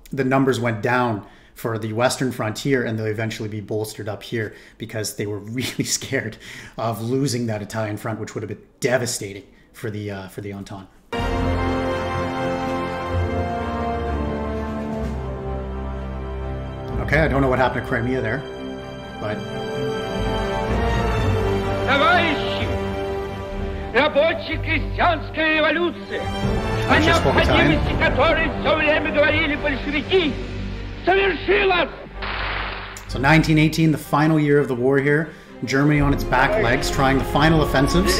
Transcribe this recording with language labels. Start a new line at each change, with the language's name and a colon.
English: the numbers went down for the Western frontier, and they'll eventually be bolstered up here because they were really scared of losing that Italian front, which would have been devastating for the Entente. Okay, I don't know what happened to Crimea there, but...
Russian: Рабочей крестьянской революции, о необходимости которой все время говорили большевики, совершилось!
English: So 1918, the final year of the war here. Germany on its back legs, trying the final offensives.